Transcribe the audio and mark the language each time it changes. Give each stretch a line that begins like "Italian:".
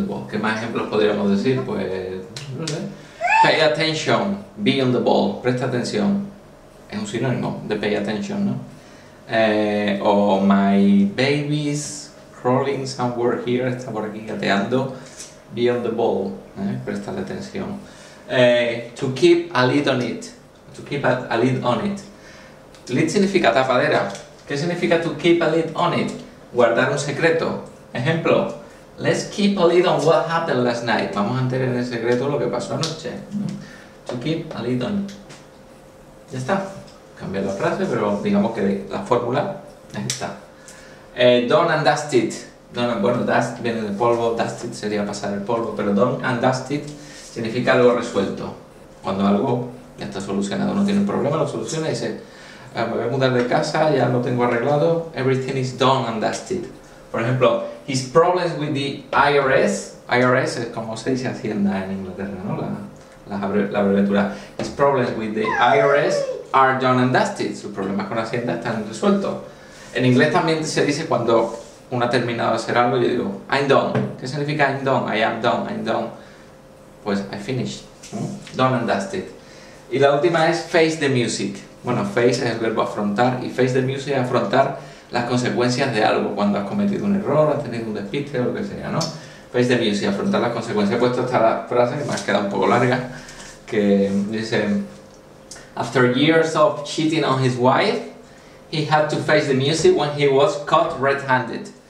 Spanish: ¿Qué más ejemplos podríamos decir? Pues, no sé.
English: Pay attention, be on the ball,
Spanish: presta atención. Es un sinónimo de
English: pay attention,
Spanish: ¿no? O
English: my baby's crawling somewhere here,
Spanish: está por aquí gateando.
English: Be on the ball,
Spanish: presta la atención.
English: To keep a lid on it, to keep a lid on it.
Spanish: Lid significa tapadera. ¿Qué significa
English: to keep a lid on it?
Spanish: Guardar un secreto. Ejemplo.
English: Let's keep a lid on what happened last night.
Spanish: Vamos a mantener en secreto lo que pasó anoche, ¿no?
English: To keep a lid on.
Spanish: Ya está. Cambiar la frase, pero digamos que la fórmula está.
English: Don't and dust it.
Spanish: Don't, bueno, dust viene de polvo.
English: Dust it
Spanish: sería pasar el polvo. Pero
English: don't and dust it
Spanish: significa algo resuelto. Cuando algo ya está solucionado, no tiene un problema, lo soluciona y dice: me voy a mudar de casa, ya lo tengo arreglado.
English: Everything is done and dusted.
Spanish: Por ejemplo,
English: his problems with the IRS.
Spanish: IRS es como se dice Hacienda en Inglaterra, ¿no? La abreviatura.
English: His problems with the IRS are done and dusted.
Spanish: Sus problemas con Hacienda están resueltos. En inglés también se dice cuando uno ha terminado de hacer algo, yo digo,
English: I'm done.
Spanish: ¿Qué significa
English: I'm done? I am done. I'm done.
Spanish: Pues
English: I finished. Done and dusted.
Spanish: Y la última es face the music. Bueno, face es el verbo afrontar y
English: face the music
Spanish: es afrontar las consecuencias de algo, cuando has cometido un error, has tenido un despiste o lo que sea, ¿no?
English: Face the music,
Spanish: afrontar las consecuencias. He puesto esta frase, que me ha quedado un poco larga, que dice:
English: After years of cheating on his wife, he had to face the music when he was caught red-handed.